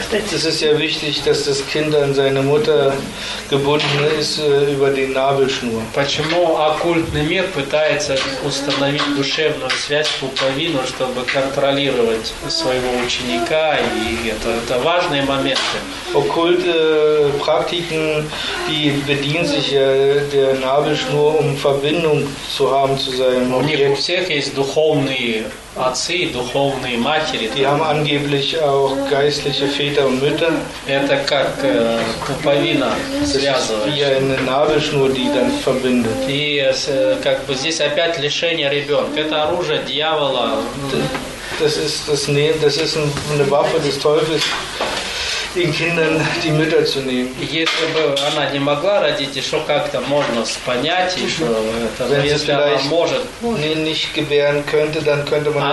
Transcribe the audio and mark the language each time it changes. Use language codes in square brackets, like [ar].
[de] Das ist ja wichtig, dass das Kind an seine Mutter gebunden ist über die Nabelschnur. [ru] Почему оккультный мир пытается установить душевную связь пуповину, чтобы контролировать своего ученика? И это важные моменты. [de] Okkulte Praktiken, die bedienen sich der Nabelschnur, um Verbindung zu haben zu seinem Objekt. [ru] У всех есть духовные отцы, духовные матери. [de] Die haben angeblich auch geistliche Väter und Mütter. [ru] Это как пуповина связывает. [de] Wie eine Nabelschnur, die dann verbindet. [ru] И как бы здесь опять лишение ребенка. Это оружие дьявола. [de] Das ist eine Waffe des Teufels, den Kindern die Mütter zu nehmen. [ru] Если бы она не могла родить, еще как-то можно понять, что если она может, [de] nicht gebären könnte, dann könnte man